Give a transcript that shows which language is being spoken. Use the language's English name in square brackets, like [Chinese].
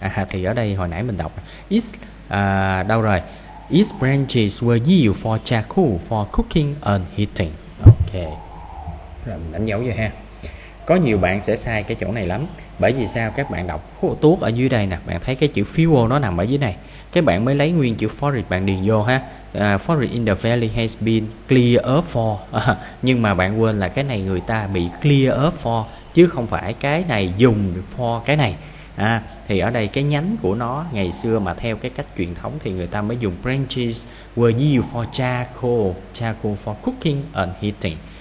[Vietnamese] Thì ở đây hồi nãy mình đọc is đâu rồi, [English] its branches were used for charcoal for cooking and heating. [Vietnamese] Ok, rồi mình đánh dấu vô ha. Có nhiều bạn sẽ sai cái chỗ này lắm. Bởi vì sao? Các bạn đọc khô tuốt ở dưới đây nè, bạn thấy cái chữ fuel nó nằm ở dưới này, cái bạn mới lấy nguyên chữ forest bạn điền vô ha. [English] Forest in the valley has been clear up for. [Vietnamese] Nhưng mà bạn quên là cái này người ta bị clear up for, chứ không phải cái này dùng for cái này. Thì ở đây cái nhánh của nó ngày xưa mà theo cái cách truyền thống thì người ta mới dùng [English] branches were used for charcoal, charcoal for cooking and heating.